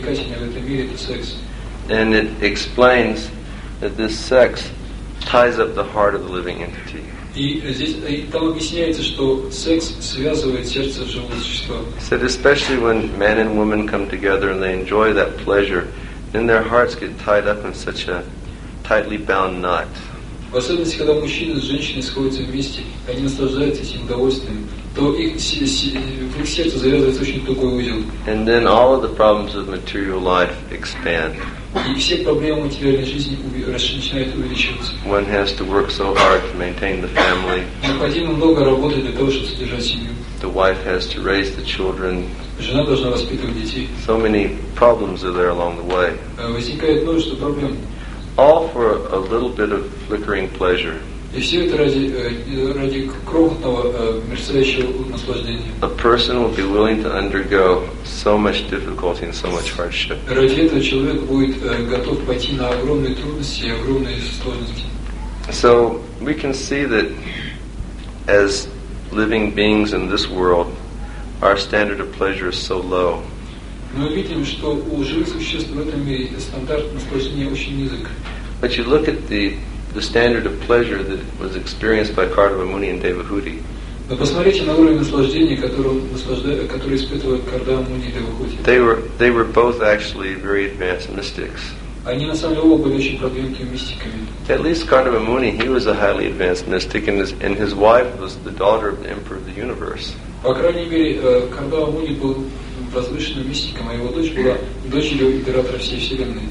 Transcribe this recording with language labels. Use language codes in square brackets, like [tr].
[en] And it explains that this sex ties up the heart of the living entity. So especially when man and woman come together and they enjoy that pleasure, then their hearts get tied up in such a tightly bound knot. [ru] В особенности, когда мужчины с женщиной сходятся вместе, они наслаждаются этим удовольствием, то в их сердце завязывается очень тугой узел. [en] And then all of the problems of material life expand. [ru] И все проблемы материальной жизни начинают увеличиваться. [en] One has to work so hard to maintain the family. [ru] Необходимо много работать для того, чтобы содержать семью. [en] The wife has to raise the children. [ru] Жена должна воспитывать детей. [en] So many problems are there along the way. [ru] Возникает множество проблем. [en] All for a little bit of flickering pleasure. [ru] И все это ради крохотного мерцающего наслаждения. [en] A person will be willing to undergo so much difficulty and so much hardship. [ru] Ради этого человек будет готов пойти на огромные трудности и огромные сложности. [en] So we can see that as living beings in this world, our standard of pleasure is so low. [ru] Мы видим, что у живых существ в этом мире стандарт наслаждения очень низок. [en] But you look at the standard of pleasure that was experienced by Kardava Muni and Devahuti. [ru] Но посмотрите на уровень наслаждения, который испытывают Кардава Муни и Девахути. [en] They were both actually very advanced mystics. [ru] Они на самом деле оба были очень продвинутыми мистиками. [en] At least Kardava Muni, he was a highly advanced mystic, and his wife was the daughter of the Emperor of the Universe. [ru] По крайней мере, Кардава Муни был возвышенным мистиком, а его дочь была дочерью императора всей Вселенной.